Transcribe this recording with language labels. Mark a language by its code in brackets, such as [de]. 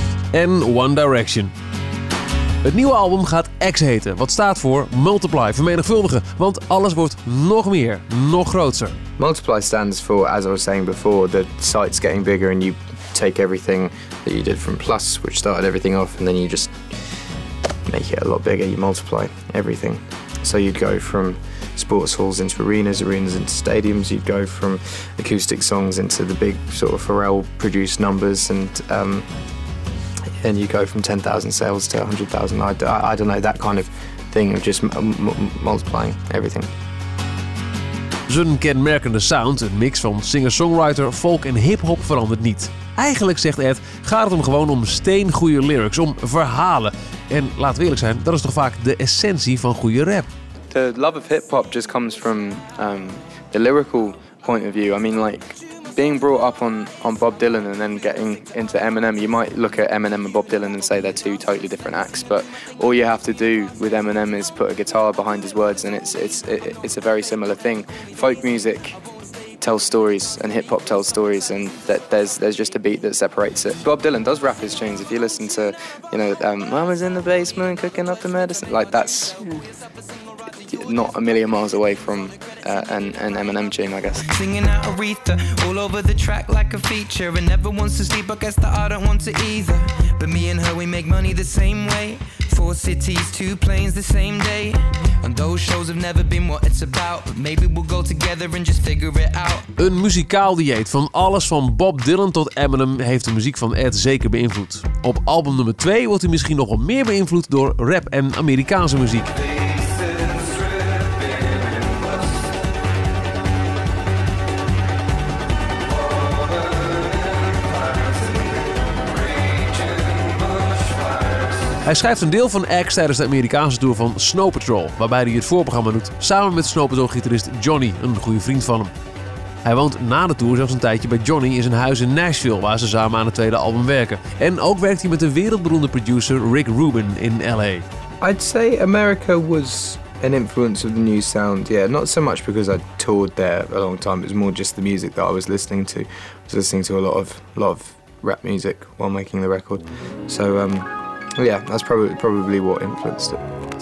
[nl] En One Direction. Het nieuwe album gaat X heten, wat staat voor multiply, vermenigvuldigen. Want alles wordt nog meer, nog groter. [en] Multiply stands for, as I was saying before, the site's getting bigger and you take everything that you did from Plus, which started everything off, and then you just make it a lot bigger. You multiply everything. So you'd go from sports halls into arenas, arenas into stadiums. You'd go from acoustic songs into the big sort of Pharrell-produced numbers and and you go from 10,000 sales to 100,000. I don't know, that kind of thing of just multiplying everything. [nl] Zijn kenmerkende sound, een mix van singer-songwriter, folk en hip-hop, verandert niet. Eigenlijk, zegt Ed, gaat het hem gewoon om steengoede lyrics, om verhalen. En laat we eerlijk zijn, dat is toch vaak de essentie van goede rap. [en] The love of hip-hop just comes from the lyrical point of view. I mean, like, being brought up on Bob Dylan and then getting into Eminem, you might look at Eminem and Bob Dylan and say they're two totally different acts, but all you have to do with Eminem is put a guitar behind his words and it's a very similar thing. Folk music tells stories and hip hop tells stories, and that there's just a beat that separates it. Bob Dylan does rap his tunes. If you listen to, you know, Mama's in the basement cooking up the medicine, like, that's not a million miles away from an Eminem tune, I guess. Singing out Aretha all over the track like a feature, and never wants to sleep. I guess that I don't want to either. But me and her, we make money the same way. Four cities, two planes the same day. And those shows have never been what it's about. But maybe we'll go together and just figure it out. [nl] Een muzikaal dieet van alles van Bob Dylan tot Eminem heeft de muziek van Ed zeker beïnvloed. Op album nummer 2 wordt hij misschien nogal meer beïnvloed door rap en Amerikaanse muziek. Hij schrijft een deel van X tijdens de Amerikaanse tour van Snow Patrol, waarbij hij het voorprogramma doet samen met Snow Patrol-gitarist Johnny, een goede vriend van hem. Hij woont na de tour zelfs een tijdje bij Johnny in zijn huis in Nashville, waar ze samen aan het tweede album werken. En ook werkt hij met de wereldberoemde producer Rick Rubin in LA. [en] I'd say America was an influence of the new sound. Yeah, not so much because I toured there a long time. It was more just the music that I was listening to. I was listening to a lot of rap music while making the record. So yeah, that's probably what influenced it.